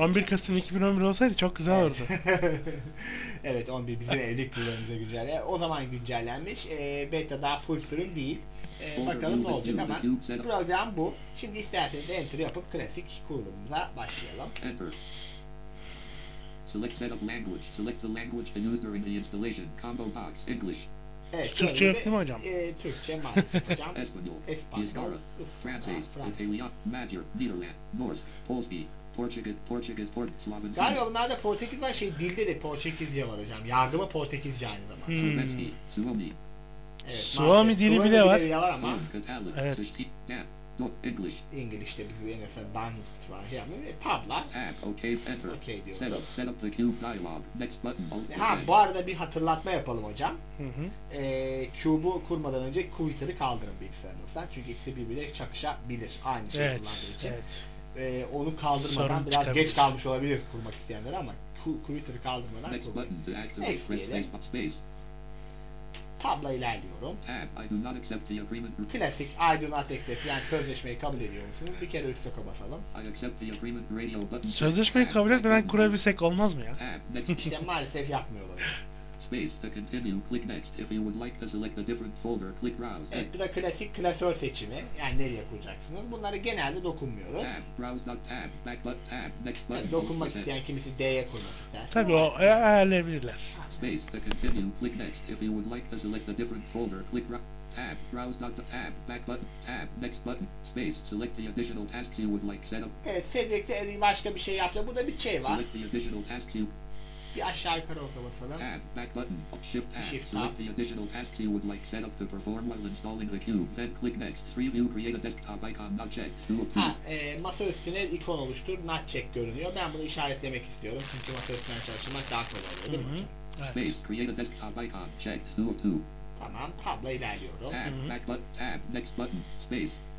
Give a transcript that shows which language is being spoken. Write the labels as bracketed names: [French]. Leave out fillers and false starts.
[Turkish] 11 Kasım 2011 olsaydı çok güzel evet. olurdu. Evet, 11 bizim evlilik yılımıza güncellenmiş. O zaman güncellenmiş. Beta daha full sürüm değil. Bakalım ne olacak ama program bu. Şimdi isterseniz enter yapıp klasik kurulumuza başlayalım. [English] Select setup language. Select the language to use during the installation. Combo box English. [Turkish] Evet, Türkçe yaptı mı hocam? Türkçe maalesef hocam. Espanyol, İspanyol, Fransız, İtalya, Macar, Nederland, Nors, Polski, Portekiz, Portekiz, Portekiz, Slavonski. Galiba bunlarda Portekiz var, şey dilde de Portekizce var hocam. Yardımı Portekizce aynı zamanda. Hmm. Suomi. Evet, Suomi dili bile var. Suomi dili bile var ama. Evet. English. İngilizce bizim en efe band var. Yani, tabla. [English] Tab, okay, enter. [Turkish] Okay diyor. [English] Set up the cube dialog. Next button. [Turkish] Ha, bu arada bir hatırlatma yapalım hocam. Cube'u kurmadan önce Quitter'ı kaldırın bilgisayarınızdan. Çünkü ikisi birbiriyle çakışabilir. Aynı şey evet, kullandığı için. Evet. Onu kaldırmadan sorun biraz geç kalmış olabiliriz kurmak isteyenler ama Quitter'ı kaldırmadan kurmayın. Tabla ilerliyorum. [English] Tab, I do not accept the agreement. [Turkish] Klasik I do not accept yani sözleşmeyi kabul ediyor musunuz? Bir kere üst soka basalım. [English] I accept the agreement radio button. [Turkish] Sözleşmeyi kabul etmeden kurabilsek olmaz mı ya? İşte maalesef yapmıyorlar. [English] Space to continue, click next. If you would like to select a different folder, click browse. [Turkish] Evet, bu da klasik klasör seçimi. Yani nereye kuracaksınız? Bunları genelde dokunmuyoruz. [English] Tab, browse dot tab, back but tab, next button. [Turkish] Dokunmak isteyen kimisi D'ye kurmak isterse. Tabii o ayarlayabilirler. [English] Space to continue, click next. If you would like to select a different folder, click tab, browse dot tab, back button, tab, next button, space, select the additional tasks you would like set up. [Turkish] Evet, select'e başka bir şey yapıyor. Burada bir şey var. [English] Select the additional tasks you... [Turkish] Bir aşağı yukarı orta basalım. [English] Tab, back button, up, shift tab, shift select up. The additional tasks you would like set up to perform while installing the cube, then click next. Three view, create a desktop icon, not checked. Two, two. [Turkish] Ha, masa üstüne ikon oluştur, not check görünüyor. Ben bunu işaretlemek istiyorum. Çünkü masa üstüne çalışmak daha kolay oluyor, değil mi hocam? [English] Space, create a desktop icon, checked, 2 of 2. [Turkish] Tamam, tabla ilerliyorum. [English] Tab, back button, tab, next button, space.